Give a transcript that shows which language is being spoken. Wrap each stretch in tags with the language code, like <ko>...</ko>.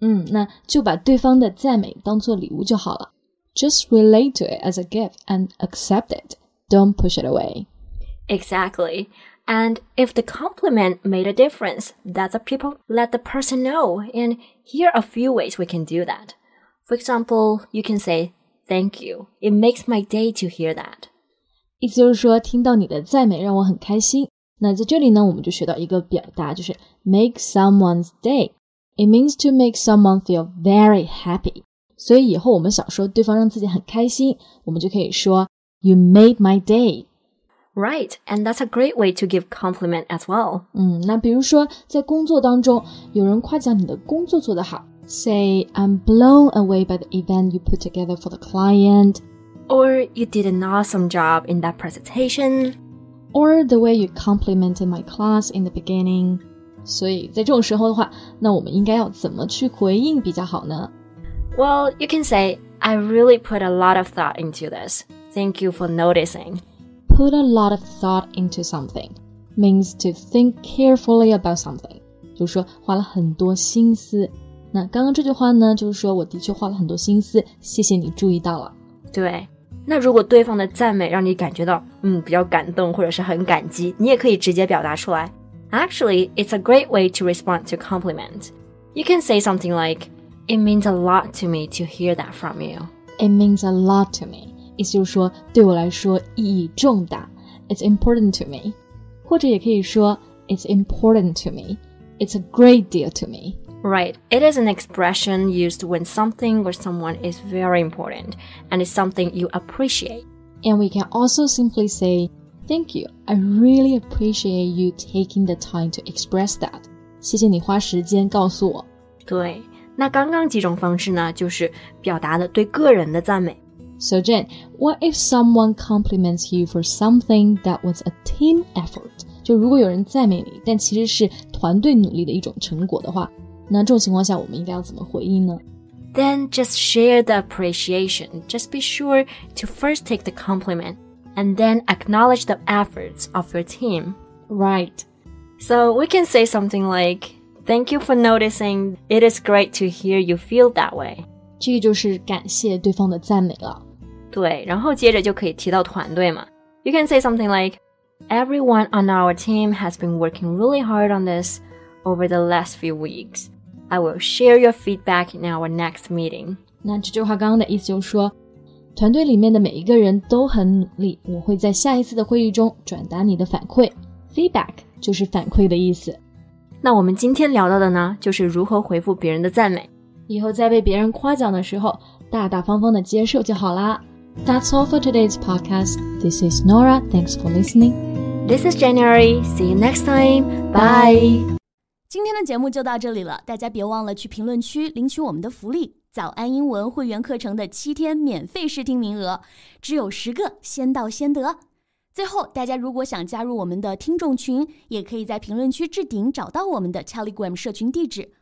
<zh>那就把对方的赞美当作礼物就好了</zh> <en>Just relate to it as a gift and accept it Don't push it away Exactly And if the compliment made a difference that the people let the person know andHere are a few ways we can do that. For example, you can say, Thank you. It makes my day to hear that.</en> <zh>意思就是说听到你的赞美让我很开心。那在这里呢我们就学到一个表达就是</zh> <en>make someone's day. It means to make someone feel very happy.</en> <zh>所以以后我们想说对方让自己很开心我们就可以说</zh> <en>You made my day. Right, and that's a great way to give compliment as well.</en> <zh>那比如说在工作当中有人夸奖你的工作做得好</zh> <en>Say, I'm blown away by the event you put together for the client. Or you did an awesome job in that presentation. Or the way you complimented my class in the beginning.</en> <zh>所以在这种时候的话那我们应该要怎么去回应比较好呢</zh> <en>Well, you can say, I really put a lot of thought into this. Thank you for noticing. Put a lot of thought into something means to think carefully about something.</en> <zh>就是说花了很多心思。那刚刚这句话呢就是说我的确花了很多心思谢谢你注意到了。对。那如果对方的赞美让你感觉到比较感动或者是很感激你也可以直接表达出来。</zh> <en>Actually, it's a great way to respond to compliments. You can say something like, It means a lot to me to hear that from you. It means a lot to me.</en> <zh>意思就是说对我来说意义重大。</zh> <en>It's important to me.</en> <zh>或者也可以说</zh> <en>It's important to me. It's a great deal to me. Right. It is an expression used when something or someone is very important and is something you appreciate. And we can also simply say, Thank you. I really appreciate you taking the time to express that.</en> <zh>谢谢你花时间告诉我。对。那刚刚几种方式呢就是表达了对个人的赞美。</zh> <en>So Jen, what if someone compliments you for something that was a team effort?</en> <zh>就如果有人赞美你但其实是团队努力的一种成果的话那这种情况下我们应该要怎么回应呢</zh> <en>Then just share the appreciation. Just be sure to first take the compliment and then acknowledge the efforts of your team. Right. So we can say something like,Thank you for noticing. It is great to hear you feel that way.</en> <zh>这就是感谢对方的赞美了。对，然后接着就可以提到团队嘛。</zh> <en>You can say something like, Everyone on our team has been working really hard on this over the last few weeks. I will share your feedback in our next meeting.</en> <zh>那这句话刚刚的意思就是说，团队里面的每一个人都很努力，我会在下一次的会议中转达你的反馈。 Feedback 就是反馈的意思。那我们今天聊到的呢就是如何回复别人的赞美以后在被别人夸奖的时候大大方方的接受就好啦</zh> <en>That's all for today's podcast This is Nora, thanks for listening This is January, see you next time Bye</en> <zh>今天的节目就到这里了大家别忘了去评论区领取我们的福利早安英文会员课程的七天免费试听名额只有十个先到先得最后，大家如果想加入我们的听众群，也可以在评论区置顶找到我们的 Telegram 社群地址。</zh>